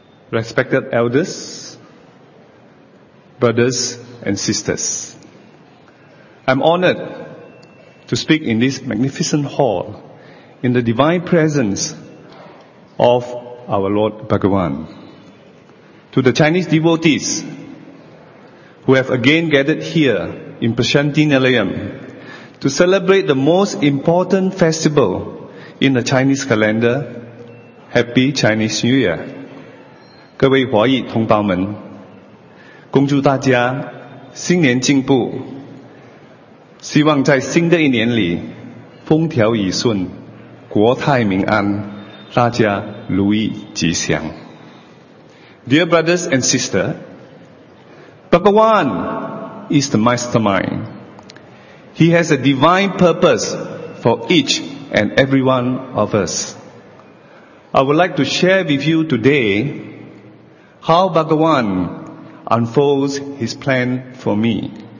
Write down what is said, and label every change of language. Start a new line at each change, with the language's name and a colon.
English: Respected elders, brothers and sisters, I'm honored to speak in this magnificent hall in the divine presence of our Lord Bhagawan. To the Chinese devotees who have again gathered here in Prashanti Nilayam to celebrate the most important festival in the Chinese calendar, Happy Chinese New Year.
Chinese: 各位华裔同胞们, 恭祝大家新年进步, 希望在新的一年里, 风调雨顺, 国泰民安, 大家如意吉祥。
English: Dear brothers and sisters, Bhagawan is the mastermind. He has a divine purpose for each and every one of us. I would like to share with you today how Bhagawan unfolds his plan for me.